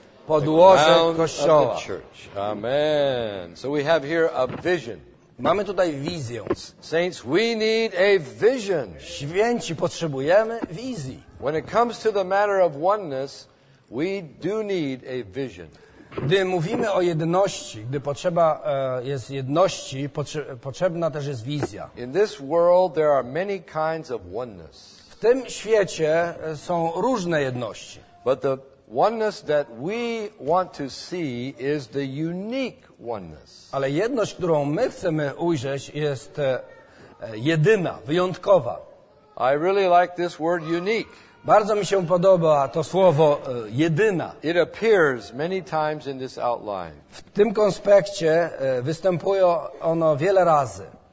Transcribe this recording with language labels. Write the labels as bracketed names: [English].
[Polish] Podłoże Kościoła. [English] The church. Amen. So we have here a vision. [Polish] Mamy tutaj wizję. [English] Saints, we need a vision. [Polish] Święci, potrzebujemy wizji. [English] When it comes to the matter of oneness, we do need a vision. [Polish] Gdy mówimy o jedności, gdy potrzeba jest jedności, potrzebna też jest wizja. [English] In this world there are many kinds of oneness. [Polish] W tym świecie są różne jedności. [English] But the oneness that we want to see is the unique oneness. [Polish] Ale jedność, którą my chcemy ujrzeć, jest jedyna, wyjątkowa. [English] I really like this word unique. [Polish] Bardzo mi się podoba to słowo jedyna. [English] It appears many times in this outline. [Polish] W tym konspekcie występuje ono wiele razy.